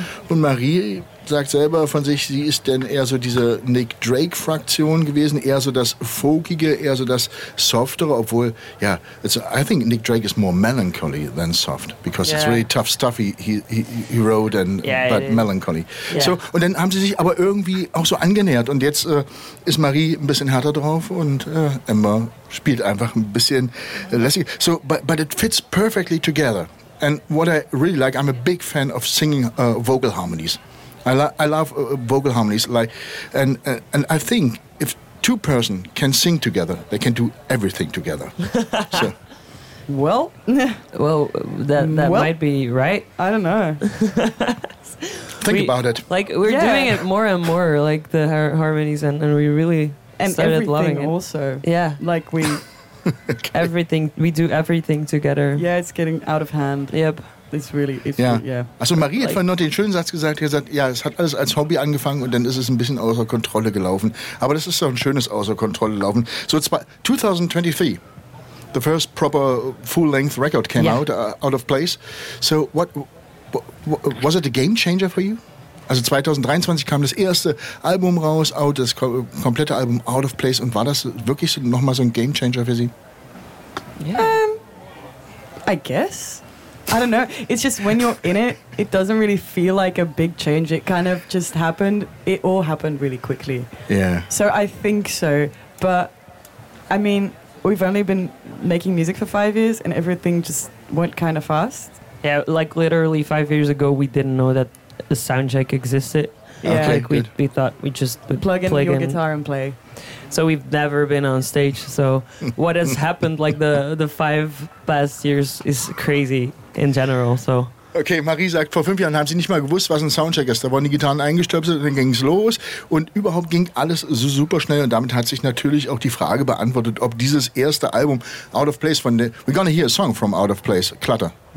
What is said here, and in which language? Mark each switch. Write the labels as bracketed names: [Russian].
[German] Und Marie sagt selber von sich, sie ist denn eher so diese Nick Drake-Fraktion gewesen, eher so das Folkige, eher so das Softere, obwohl, ja, [English] I think Nick Drake is more melancholy than soft, because it's really tough stuff he wrote, and but melancholy. Yeah. [German] So, und dann haben sie sich aber irgendwie auch so angenähert und jetzt ist Marie ein bisschen härter drauf und Emma spielt einfach ein bisschen lässig. [English] So, but it fits perfectly together. And what I really like, I'm a big fan of singing vocal harmonies. I love vocal harmonies, like, and I think if two person can sing together, they can do everything together. So. Well, might be right. I don't know. Think about it. Like, we're doing it more and more, like the harmonies, and we really and started everything loving also. It. Also, yeah, like we okay. everything we do everything together. Yeah, it's getting out of hand. Yep. It's really, yeah. [German] Also Marie hat vorhin noch den schönen Satz gesagt, die hat gesagt, ja, es hat alles als Hobby angefangen und dann ist es ein bisschen außer Kontrolle gelaufen. Aber das ist doch ein schönes außer Kontrolle laufen. [English] So 2023, the first proper full-length record came out of place. So was it a game changer for you? [German] Also 2023 kam das erste Album raus, das komplette Album Out of Place, und war das wirklich so, nochmal so ein game changer für sie? [English] Yeah. I guess. I don't know. It's just when you're in it, it doesn't really feel like a big change. It kind of just happened. It all happened really quickly. Yeah. So I think so. But, I mean, we've only been making music for 5 years and everything just went kind of fast. Yeah, like literally 5 years ago, we didn't know that a soundcheck existed. Yeah. Okay, like we thought we just would plug in guitar and play. So we've never been on stage. So what has happened like the 5 past years is crazy. In general, so. [German] Okay, Marie sagt, vor 5 Jahren haben sie nicht mal gewusst, was ein Soundcheck ist. Da wurden die Gitarren eingestöpselt und dann ging es los. Und überhaupt ging alles so super schnell. Und damit hat sich natürlich auch die Frage beantwortet, ob dieses erste Album Out of Place von der... [English] We're gonna hear a song from Out of Place, Clutter.